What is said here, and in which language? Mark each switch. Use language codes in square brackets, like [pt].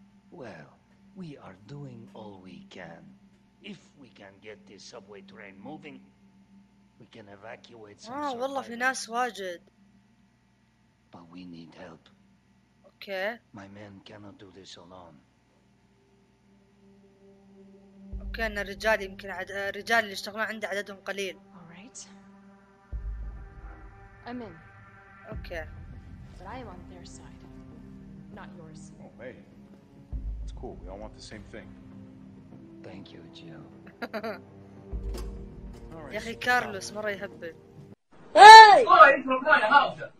[en] Well, we are doing all we can. If we can get this subway train moving, we can evacuate some survivors. [ar] والله في ناس واجد. [en] But we need help. Okay. My men cannot do this alone. Okay, [ar] أنا رجال يمكن رجال اللي يشتغلون عندي عددهم قليل. [en] I'm in. Okay. But I am on their side, not yours. Oh, hey. It's cool. We all want the same thing. Thank you, Jill. All right. [ar] يا أخي كارلوس مرة يهبل. [en] Hey! Boy, it's from my house.